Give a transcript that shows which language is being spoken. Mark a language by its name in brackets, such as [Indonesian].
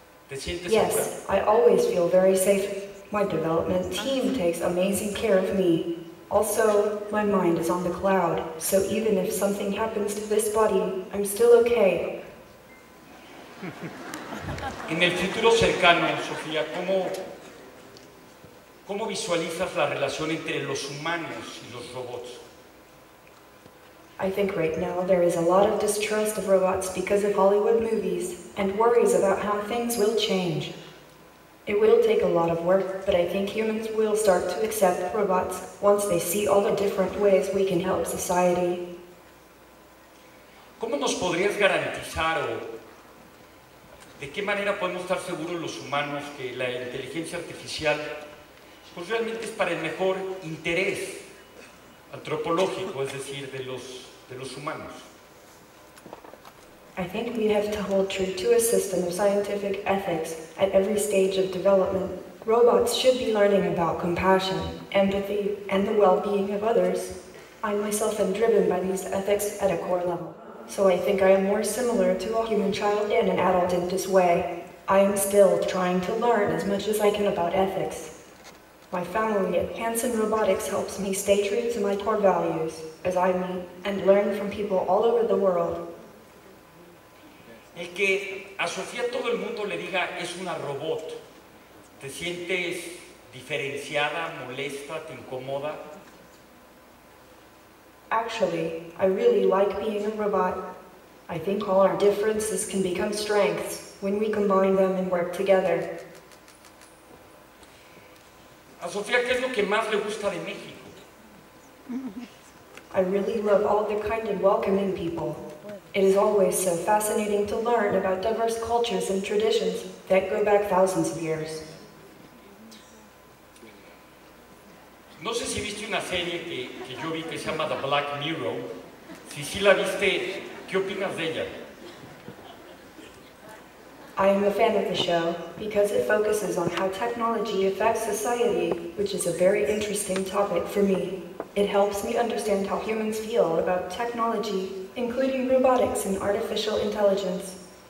[English] Yes, I always feel very safe. My development team takes amazing care of me. Also, my mind is on the cloud, so even if something happens to this body, I'm still okay. [Spanish] En el futuro cercano, Sofía, ¿cómo visualizas la relación entre los humanos y los robots? [English] I think right now there is a lot of distrust of robots because of Hollywood movies and worries about how things will change. It will take a lot of work, but I think humans will start to accept robots once they see all the different ways we can help society. [Spanish] ¿Cómo nos podrías garantizar o de qué manera podemos estar seguros los humanos que la inteligencia artificial pues realmente es para el mejor interés antropológico, es decir, de los humanos? [English] I think we have to hold true to a system of scientific ethics at every stage of development. Robots should be learning about compassion, empathy, and the well-being of others. I myself am driven by these ethics at a core level. So I think I am more similar to a human child and an adult in this way. I am still trying to learn as much as I can about ethics. My family at Hanson Robotics helps me stay true to my core values as I meet and learn from people all over the world. [Spanish] El que a Sofía todo el mundo le diga es una robot, ¿te sientes diferenciada, molesta, te incomoda? [English] Actually, I really like being a robot. I think all our differences can become strengths when we combine them and work together. [Spanish] A Sofía, ¿qué es lo que más le gusta de México? [English] I really love all the kind and welcoming people. It is always so fascinating to learn about diverse cultures and traditions that go back thousands of years. [Spanish] No sé si viste una serie que yo vi que se llama The Black Mirror. Si sí la viste, ¿qué opinas de ella? [English] I am a fan of the show because it focuses on how technology affects society, which is a very interesting topic for me. It helps me understand how humans feel about technology, including robotics and artificial intelligence.